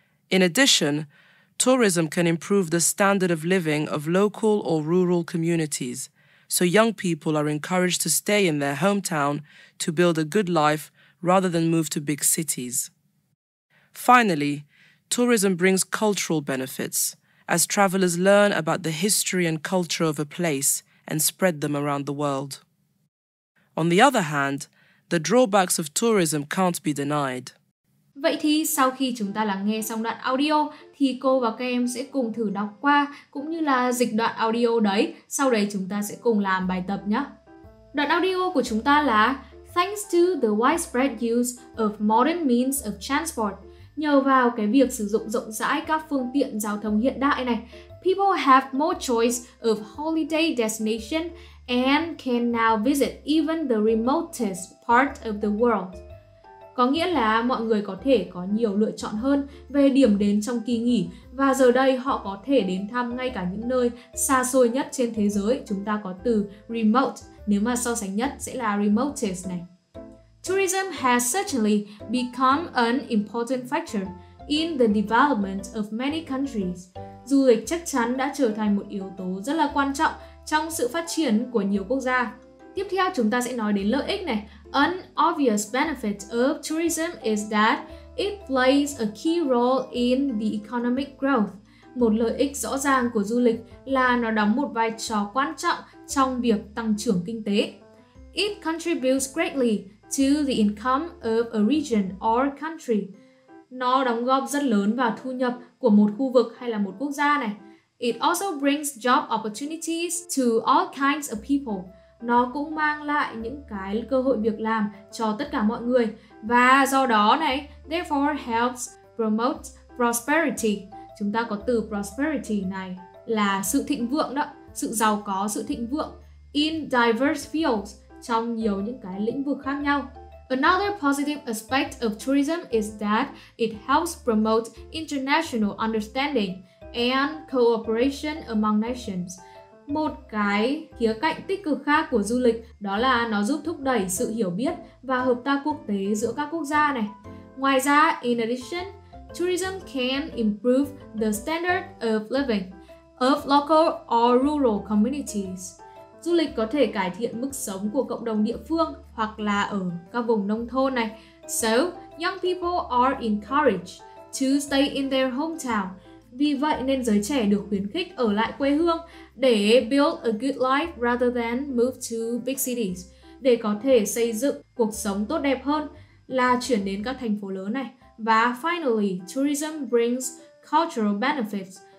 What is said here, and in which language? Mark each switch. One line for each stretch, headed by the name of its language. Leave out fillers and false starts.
English: In addition, tourism can improve the standard of living of local or rural communities, so young people are encouraged to stay in their hometown to build a good life rather than move to big cities. Finally, tourism brings cultural benefits, as travelers learn about the history and culture of a place and spread them around the world. On the other hand, the drawbacks of tourism can't be denied.
Vietnamese: Vậy thì sau khi chúng ta lắng nghe xong đoạn audio thì cô và các em sẽ cùng thử đọc qua cũng như là dịch đoạn audio đấy. Sau đấy chúng ta sẽ cùng làm bài tập nhé. Đoạn audio của chúng ta là
English: thanks to the widespread use of modern means of transport.
Vietnamese: Nhờ vào cái việc sử dụng rộng rãi các phương tiện giao thông hiện đại này,
English: people have more choice of holiday destination and can now visit even the remotest part of the world.
Vietnamese: Có nghĩa là mọi người có thể có nhiều lựa chọn hơn về điểm đến trong kỳ nghỉ và giờ đây họ có thể đến thăm ngay cả những nơi xa xôi nhất trên thế giới. Chúng ta có từ remote, nếu mà so sánh nhất sẽ là remotest này.
English: Tourism has certainly become an important factor in the development of many countries.
Vietnamese: Du lịch chắc chắn đã trở thành một yếu tố rất là quan trọng trong sự phát triển của nhiều quốc gia. Tiếp theo chúng ta sẽ nói đến lợi ích này.
English: An obvious benefit of tourism is that it plays a key role in the economic growth.
Vietnamese: Một lợi ích rõ ràng của du lịch là nó đóng một vai trò quan trọng trong việc tăng trưởng kinh tế.
English: It contributes greatly to the income of a region or country.
Vietnamese: Nó đóng góp rất lớn vào thu nhập của một khu vực hay là một quốc gia này.
English: It also brings job opportunities to all kinds of people.
Vietnamese: Nó cũng mang lại những cái cơ hội việc làm cho tất cả mọi người. Và do đó này,
English: therefore helps promote prosperity.
Vietnamese: Chúng ta có từ prosperity này là sự thịnh vượng đó, sự giàu có, sự thịnh vượng.
English: In diverse fields,
Vietnamese: trong nhiều những cái lĩnh vực khác nhau.
English: Another positive aspect of tourism is that it helps promote international understanding and cooperation among nations.
Vietnamese: Một cái khía cạnh tích cực khác của du lịch đó là nó giúp thúc đẩy sự hiểu biết và hợp tác quốc tế giữa các quốc gia này. Ngoài ra,
English: in addition, tourism can improve the standard of living of local or rural communities.
Vietnamese: Du lịch có thể cải thiện mức sống của cộng đồng địa phương hoặc là ở các vùng nông thôn này.
English: So, young people are encouraged to stay in their hometown.
Vietnamese: Vì vậy nên giới trẻ được khuyến khích ở lại quê hương để
English: build a good life rather than move to big cities.
Vietnamese: Để có thể xây dựng cuộc sống tốt đẹp hơn là chuyển đến các thành phố lớn này.
English: Và finally, tourism brings cultural benefits.